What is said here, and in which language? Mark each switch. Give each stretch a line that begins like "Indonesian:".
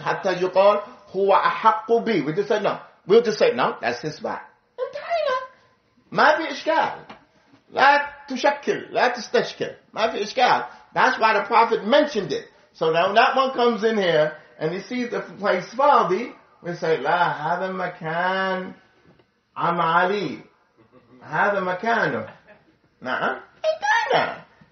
Arabic: Hatta yuqal huwa ahaqqu bi.
English: We just said no. That's his spot. And Taina.
Arabic: ما في إشكال. لا تشكل لا تستشكل ما في إشكال.
English: That's why the Prophet mentioned it. So now that one comes in here and he sees the place Fadi, we say
Arabic: لا هذا مكان عم علي هذا مكانه. نعم مكانه.